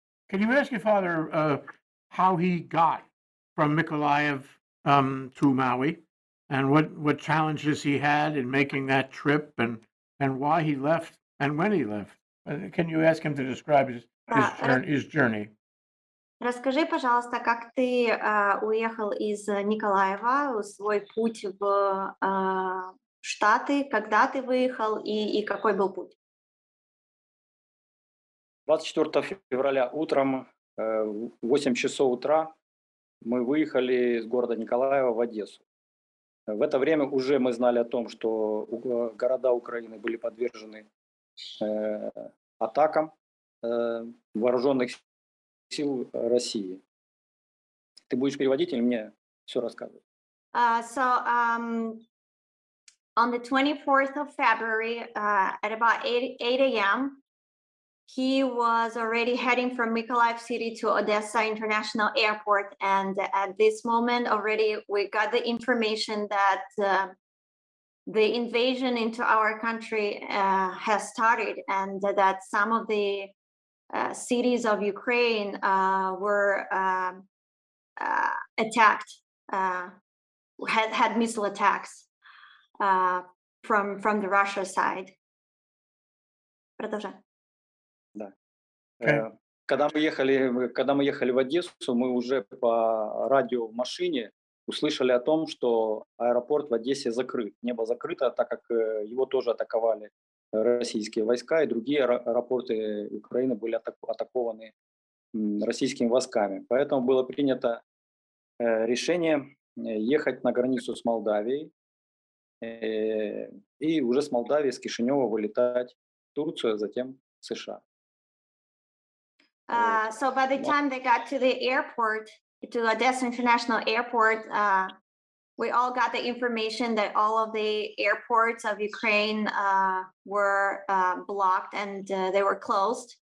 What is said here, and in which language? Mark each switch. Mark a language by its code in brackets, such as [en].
[en] Can you ask your father how he got from Mykolaiv to Maui, and what challenges he had in making that trip, and why he left and when he left? Can you ask him to describe his journey? [ru] Расскажи, пожалуйста, как ты уехал из Николаева, свой путь в Штаты, когда ты выехал и какой был путь? 24 февраля утром, в 8 часов утра, мы выехали из города Николаева в Одессу. В это время уже мы знали о том, что города Украины были подвержены атакам вооруженных сил России. Ты будешь переводить или мне все рассказывать? [en] On the 24th of February, at about 8 a.m., he was already heading from Mykolaiv City to Odessa International Airport. And at this moment already, we got the information that the invasion into our country has started, and that some of the cities of Ukraine were attacked, had missile attacks from the Russia side. [ru] Продолжай. Да. Okay. Когда мы ехали в Одессу, мы уже по радио в машине услышали о том, что аэропорт в Одессе закрыт. Небо закрыто, так как его тоже атаковали российские войска, и другие аэропорты Украины были атакованы российскими войсками. Поэтому было принято решение ехать на границу с Молдавией и уже с Молдавии, с Кишинева вылетать в Турцию, затем в США. [en] So by the time they got to the airport, to Odessa International Airport, We all got the information that all of the airports of Ukraine were blocked and they were closed.